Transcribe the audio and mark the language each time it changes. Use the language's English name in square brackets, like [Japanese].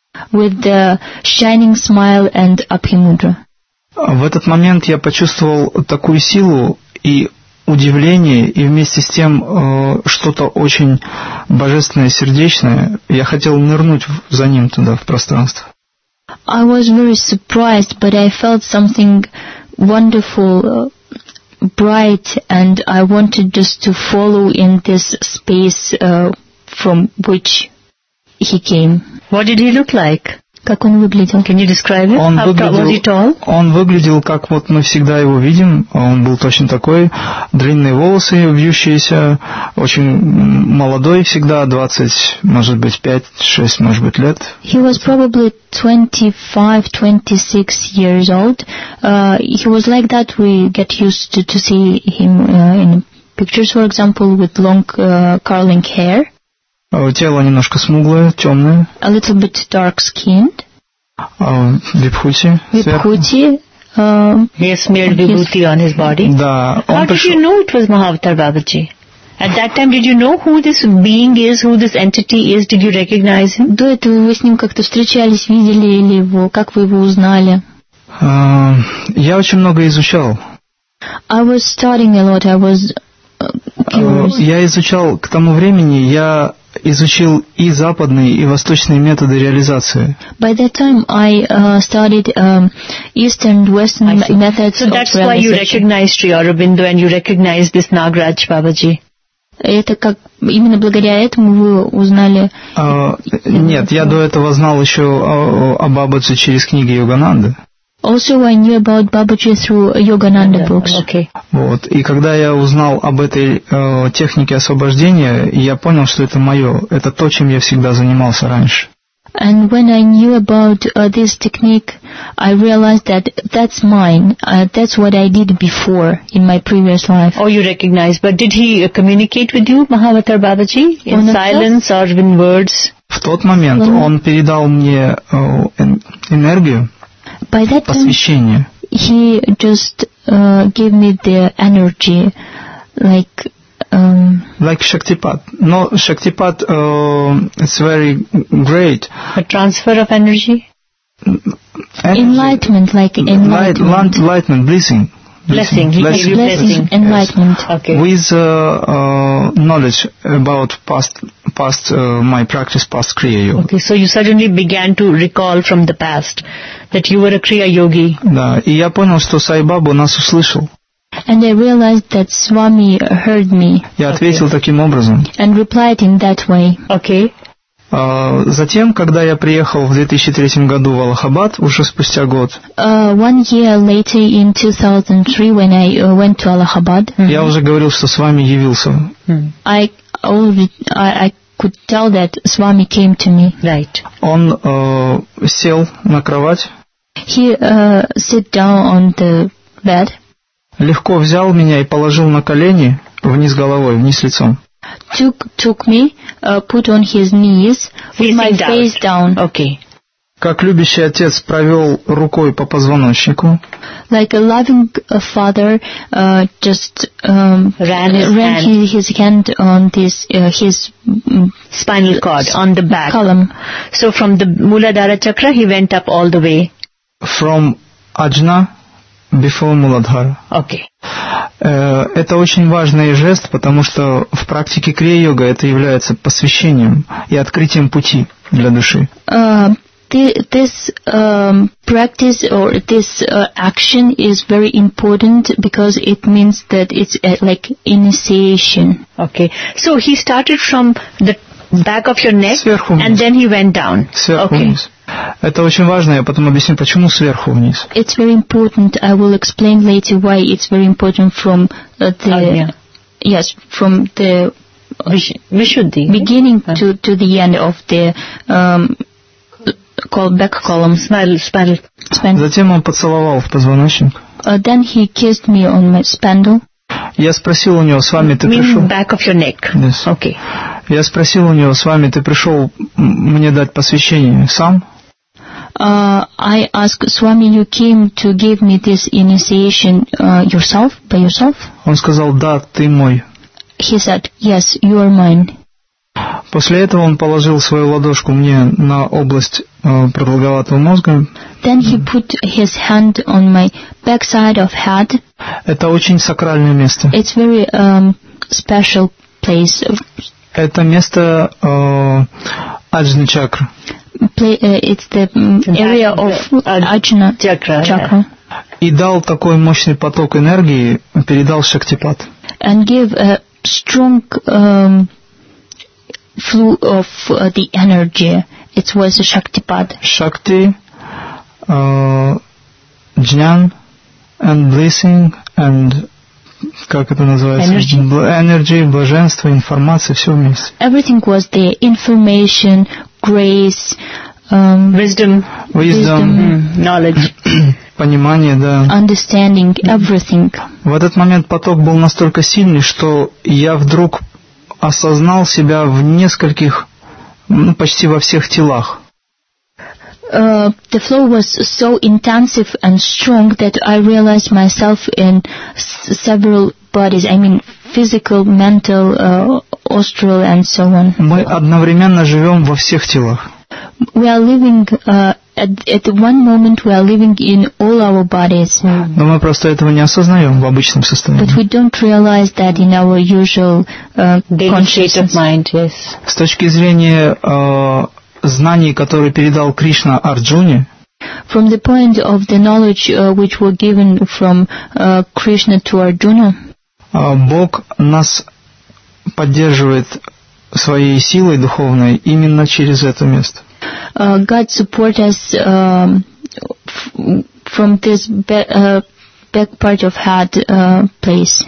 [English] With the shining smile and Абхимудра. [Russian] В этот момент я почувствовал такую силу и удивление, и вместе с тем что-то очень божественное, сердечное. Я хотел нырнуть за ним туда, в пространство. [English] I was very surprised, but I felt something wonderful, bright, and I wanted just to follow in this space from which he came. What did he look like? [Russian] Как он выглядел? [English] Can you describe him? [Russian] Он выглядел, [English] was he tall? [Russian] Он выглядел, как вот мы всегда его видим. Он был точно такой. Длинные волосы, вьющиеся. Очень молодой всегда. 20, может быть, 5-6, может быть, лет. [English] He was probably 25-26 years old. He was like that. We get used to see him in pictures, for example, with long curling hair. [Russian] Тело немножко смуглое, темное. [English] A little bit dark-skinned. [Russian] Випхути. Випхути. [English] He has smeared Vibhuti on his body. [Russian] Да. [English] How did you know it was Mahavatar Babaji? At that time, did you know who this being is, who this entity is? Did you recognize him? [Russian] До этого вы с ним как-то встречались, видели ли его? Как вы его узнали? Я очень много изучал. [English] I was studying a lot. I was curious. [Russian] Я изучал к тому времени, я... изучил и западные, и восточные методы реализации. [English] By that time I studied Eastern and Western methods of realization. So that's why you recognized Sri Aurobindo and you recognized this Nagaraj Babaji. [Russian] Это как именно благодаря этому вы узнали? Нет, я до этого знал еще о Бабаджи через книги Йогананды. [English] Also, I knew about Babaji through Yogananda books. Okay. [Russian] Вот, и когда я узнал об этой технике освобождения, я понял, что это мое, это то, чем я всегда занимался раньше. [English] And when I knew about this technique, I realized that that's mine. That's what I did before in my previous life. Oh, you recognize. But did he communicate with you, Mahavatar Babaji, in silence or in words? [Russian] В тот момент он передал мне энергию. [English] By that time, he just gave me the energy, like... Like Shaktipat. No, Shaktipat, it's very great. A transfer of energy? Enlightenment, like enlightenment. Enlightenment, blessing. Blessing, he gave you blessing. Enlightenment, yes. Okay. With knowledge about past my practice, past Kriya Yoga. Okay, so you suddenly began to recall from the past that you were a Kriya Yogi. [Russian] Да, и я понял, что Сай Бабу нас услышал. [English] And I realized that Swami heard me. [Russian] Я ответил таким образом. [English] And replied in that way. Okay. [Russian] Затем, когда я приехал в 2003 году в Аллахабад, уже спустя год. [English] One year later, in 2003, when I went to Аллахабад. [Russian] Я уже говорил, что Свами явился. [English] I could tell that Swami came to me. Right. [Russian] Он сел на кровать. [English] He sat down on the bed. [Russian] Легко взял меня и положил на колени, вниз головой, вниз лицом. [English] Took me, put on his knees, with my face down. Okay. [Russian] Как любящий отец провел рукой по позвоночнику. [English] Like a loving father just ran his hand on this his spinal cord on the back. Column. So from the Muladhara chakra he went up all the way. From Ajna. Before Muladhara. Okay. [Russian] Это очень важный жест, потому что в практике Крия-йога это является посвящением и открытием пути для души. [English] This practice or this action is very important because it means that it's like initiation. Okay. So he started from the back of your neck. [Russian] Сверху вниз. [English] And then he went down. [Russian] Сверху [English] okay. [Russian] вниз. Это очень важно, я потом объясню, почему сверху вниз. [English] It's very important. I will explain later why it's very important from the yes, from the Vishuddhi beginning to the end of the back column. Spinal. [Russian] Затем он поцеловал в позвоночник. [English] Then he kissed me on my spindle. [Russian] Я спросил у него, с вами ты пришел? [English] Back of your neck. Yes. Okay. [Russian] Я спросил у него, с вами ты пришел мне дать посвящение сам? [English] I asked Swami, you came to give me this initiation yourself, by yourself? [Russian] Он сказал, да, ты мой. [English] He said, yes, you are mine. [Russian] После этого он положил свою ладошку мне на область продолговатого мозга. [English] Then he put his hand on my backside of head. [Russian] Это очень сакральное место. [English] It's very special place. [Russian] Это место Аджны чакры. [English] It's the area of Ajna chakra. [Russian] И дал такой мощный поток энергии, передал Шактипат. [English] And give a strong flow of the energy. It was a Shaktipat. Shakti, Jnan, and blessing, and... [Russian] Как это называется? [English] Energy, [Russian] блаженство, информация, все вместе. [English] Everything was there. Information, grace, wisdom. Knowledge. [Russian] Понимание, да. [English] Understanding, everything. [Russian] В этот момент поток был настолько сильный, что я вдруг осознал себя в нескольких, ну, почти во всех телах. [English] The flow was so intensive and strong that I realized myself in several bodies. I mean, physical, mental, astral, and so on. [Russian] Мы одновременно живем во всех телах. [English] We are living at one moment we are living in all our bodies. [Russian] Но мы просто этого не осознаем в обычном состоянии. [English] But we don't realize that in our usual conscious mind. Yes. [Russian] С точки зрения знаний, которые передал Кришна Арджуне. [English] From the point of the knowledge which were given from Krishna to Arjuna. [Russian] Бог нас поддерживает своей силой духовной именно через это место. [English] God support us from this back part of head place.